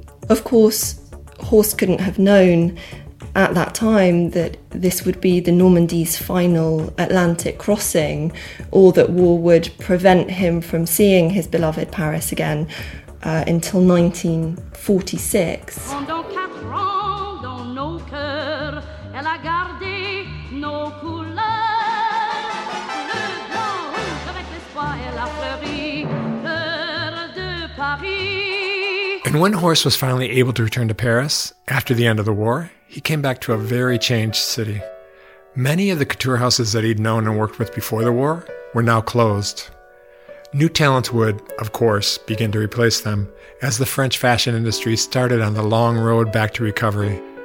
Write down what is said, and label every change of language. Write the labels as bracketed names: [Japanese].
[English] Of course, Horst couldn't have known at that time that this would be the Normandy's final Atlantic crossing, or that war would prevent him from seeing his beloved Paris again until 1946. [French] Pendant 4 ans dans nos cœurs, elle a gardé nos couleurs. Le blanc rouge avec l'espoir, elle a fleuri, cœur de Paris. [English] And when Horst was finally able to return to Paris, after the end of the war, he came back to a very changed city. Many of the couture houses that he'd known and worked with before the war were now closed. New talents would, of course, begin to replace them, as the French fashion industry started on the long road back to recovery.